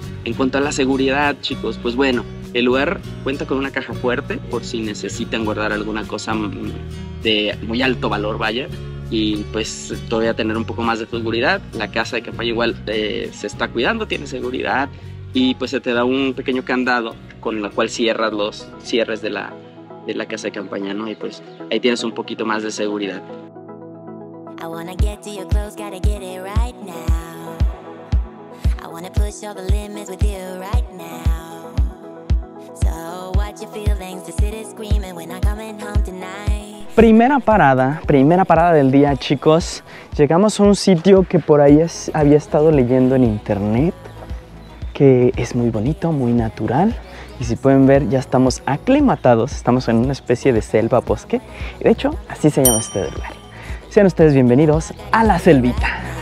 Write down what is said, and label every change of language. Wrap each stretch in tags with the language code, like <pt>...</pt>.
<es>En cuanto a la seguridad, chicos, pues bueno, el lugar cuenta con una caja fuerte por si necesitan guardar alguna cosa de muy alto valor, vaya, y pues todavía tener un poco más de seguridad. La casa de campaña igual se está cuidando, tiene seguridad, y pues se te da un pequeño candado con el cual cierras los cierres de la casa de campaña, ¿no? Y pues ahí tienes un poquito más de seguridad.</es> <en>I wanna get to your clothes, gotta get it right now. I wanna push all the limits with you right now. So watch your feelings, the city's screaming when I'm coming home tonight.</en> <es>Primera parada del día, chicos. Llegamos a un sitio que por ahí había estado leyendo en internet, que es muy bonito, muy natural. Y si pueden ver, ya estamos aclimatados, estamos en una especie de selva bosque. De hecho, así se llama este lugar. Sean ustedes bienvenidos a La Selvita.</es>